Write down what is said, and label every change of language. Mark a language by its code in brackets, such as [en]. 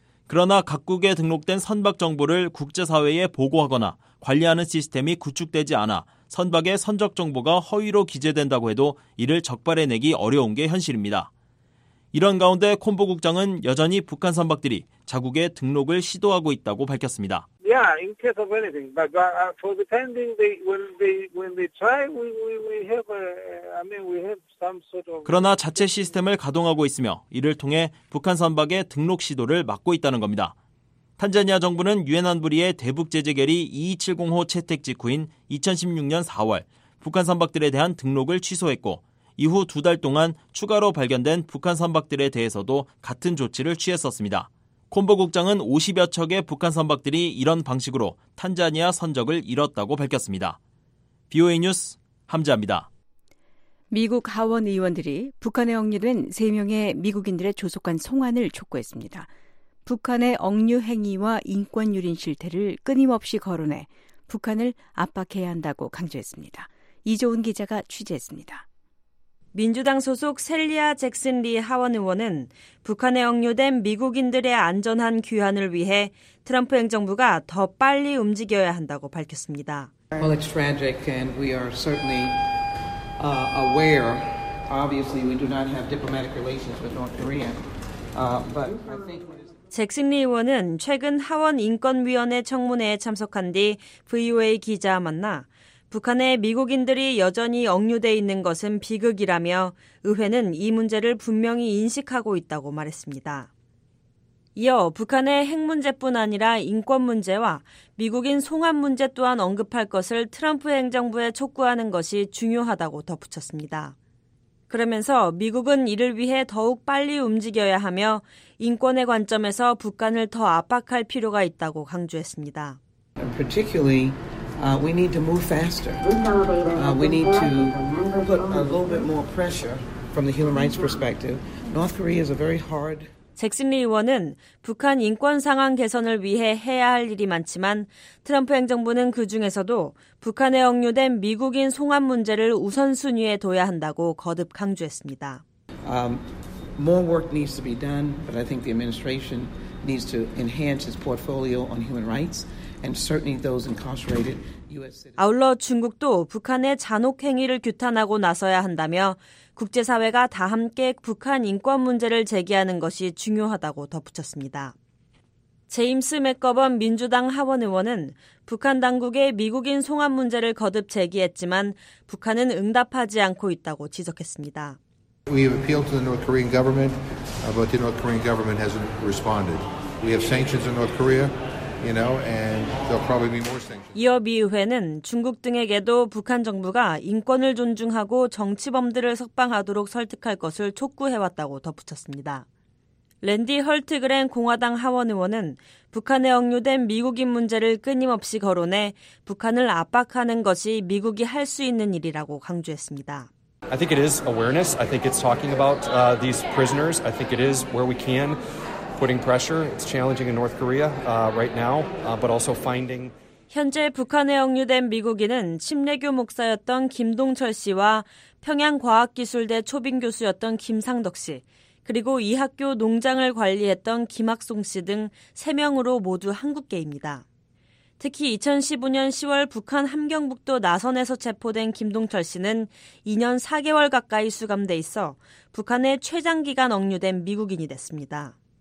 [ko] 그러나 각국에 등록된 선박 정보를 국제사회에 보고하거나 관리하는 시스템이 구축되지 않아 선박의 선적 정보가 허위로 기재된다고 해도 이를 적발해내기 어려운 게 현실입니다. 이런 가운데 콤보 국장은 여전히 북한 선박들이 자국에 등록을 시도하고 있다고 밝혔습니다. [en] Yeah, in case of anything. But for the pending, when they try, we have some sort of. [ko] 그러나 자체 시스템을 가동하고 있으며 이를 통해 북한 선박의 등록 시도를 막고 있다는 겁니다. 탄자니아 정부는 유엔 안보리의 대북 제재 결의 2270호 채택 직후인 2016년 4월 북한 선박들에 대한 등록을 취소했고 이후 두 달 동안 추가로 발견된 북한 선박들에 대해서도 같은 조치를 취했었습니다. 콤보 국장은 50여 척의 북한 선박들이 이런 방식으로 탄자니아 선적을 잃었다고 밝혔습니다. BOA 뉴스 함지아입니다. 미국 하원 의원들이 북한에 억류된 3명의 미국인들의 조속한 송환을 촉구했습니다. 북한의 억류 행위와 인권 유린 실태를 끊임없이 거론해 북한을 압박해야 한다고 강조했습니다. 이조은 기자가 취재했습니다. 민주당 소속 셀리아 잭슨 리 하원 의원은 북한에 억류된 미국인들의 안전한 귀환을 위해 트럼프 행정부가 더 빨리 움직여야 한다고 밝혔습니다. [en] Well, it's tragic and we are certainly aware. Obviously, we do not have diplomatic relations with North Korea. But I think [ko] 잭슨 리 의원은 최근 하원 인권위원회 청문회에 참석한 뒤 VOA 기자와 만나 북한의 미국인들이 여전히 억류돼 있는 것은 비극이라며 의회는 이 문제를 분명히 인식하고 있다고 말했습니다. 이어 북한의 핵 문제뿐 아니라 인권 문제와 미국인 송환 문제 또한 언급할 것을 트럼프 행정부에 촉구하는 것이 중요하다고 덧붙였습니다. 그러면서 미국은 이를 위해 더욱 빨리 움직여야 하며 인권의 관점에서 북한을 더 압박할 필요가 있다고 강조했습니다. [en] Particularly, we need to move faster. We need to put a little bit more pressure from the human rights perspective. North Korea is a very hard. [ko] 잭슨 리 의원은 북한 인권 상황 개선을 위해 해야 할 일이 많지만 트럼프 행정부는 그중에서도 북한에 억류된 미국인 송환 문제를 우선순위에 둬야 한다고 거듭 강조했습니다. [en] More work needs to be done, but I think the administration needs to enhance its portfolio on human rights and certainly those incarcerated US citizens. [ko] 아울러 중국도 북한의 잔혹 행위를 규탄하고 나서야 한다며 국제사회가 다 함께 북한 인권 문제를 제기하는 것이 중요하다고 덧붙였습니다. 제임스 맥거번 민주당 하원 의원은 북한 당국의 미국인 송환 문제를 거듭 제기했지만 북한은 응답하지 않고 있다고 지적했습니다. [en] We have appealed to the North Korean government, but the North Korean government hasn't responded. We have sanctions in North Korea. You know, and there'll probably be more sanctions. [ko] 이어 미 의회는 중국 등에게도 북한 정부가 인권을 존중하고 정치범들을 석방하도록 설득할 것을 촉구해왔다고 덧붙였습니다. 랜디 헐트그랜 공화당 하원 의원은 북한에 억류된 미국인 문제를 끊임없이 거론해 북한을 압박하는 것이 미국이 할 수 있는 일이라고 강조했습니다. [en] I think it is awareness. I think it's talking about these prisoners. I think it is where we can. Putting pressure, it's challenging in North Korea right now, but also finding. [ko] 현재 북한에 억류된 미국인은 침례교 목사였던 김동철 씨와 평양과학기술대 초빙 교수였던 김상덕 씨, 그리고 이 학교 농장을 관리했던 김학송 씨 등 3명으로 모두 한국계입니다. 특히 2015년 10월 북한 함경북도 나선에서 체포된 김동철 씨는 2년 4개월 가까이 수감돼 있어 북한에 최장기간 억류된 미국인이 됐습니다.